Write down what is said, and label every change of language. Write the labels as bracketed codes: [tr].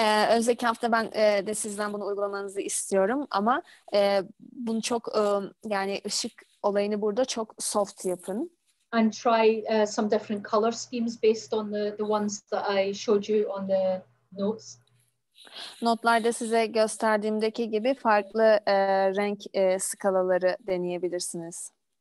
[tr] Önceki hafta ben de sizden bunu uygulamanızı istiyorum ama bunu çok yani ışık olayını burada çok soft yapın. [en] And try some different color schemes based on the ones that I showed you on the notes. [tr] Notlarda size gösterdiğimdeki gibi farklı renk skalaları deneyebilirsiniz.